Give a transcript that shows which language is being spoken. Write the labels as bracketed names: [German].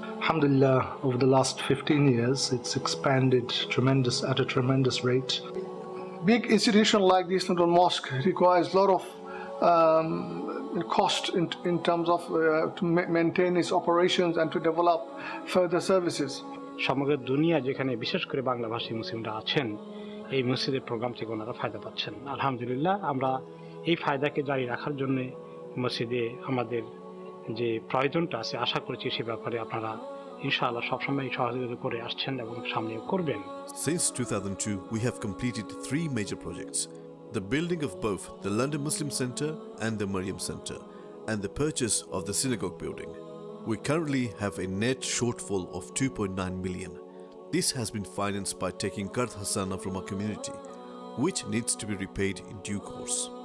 [English] Alhamdulillah, over the last 15 years, it's expanded at a tremendous rate. Big institution like the Islamic Mosque requires a lot of cost in terms of to maintain its operations and to develop further services. [Bangla] সমগ্র দুনিয়া যেখানে বিশেষ করে বাংলা ভাষী মুসলিমরা আছেন এই মসজিদের প্রোগ্রাম থেকে ওনারা ফায়দা পাচ্ছেন আলহামদুলিল্লাহ আমরা এই ফায়দাকে জারি রাখার জন্য মসজিদে আমাদের যে প্রয়োজনটা আছে আশা করছি সে ব্যাপারে আপনারা ইনশাআল্লাহ সবসময় সহযোগিতা করে আসছেন এবং সামনেও করবেন [English] Since 2002 we have completed three major projects the building of both the London Muslim Center and the Maryam Center and the purchase of the synagogue building We currently have a net shortfall of 2.9 million. This has been financed by taking Qard Hasana from our community, which needs to be repaid in due course.